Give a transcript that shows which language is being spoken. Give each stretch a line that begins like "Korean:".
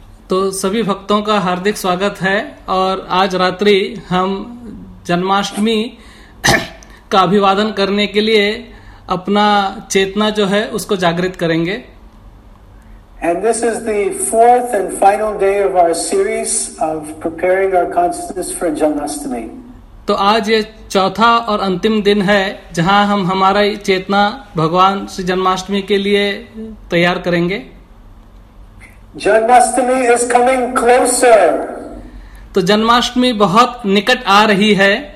Hindi: तो सभी भक्तों का हार्दिक स्वागत है और आज रात्रि हम जन्माष्टमी का अभिवादन करने के लिए अपना चेतना जो है उसको जागृत करेंगे.
English: And this is the fourth and final day of our series of preparing our consciousness for Janmashtami.
Hindi: तो आज ये चौथा और अंतिम दिन है जहां हम हमारा चेतना भगवान श्री जन्माष्टमी के लिए तैयार करेंगे.
English: Janmashtami is coming closer.
Hindi: तो जन्माष्टमी बहुत निकट आ रही है.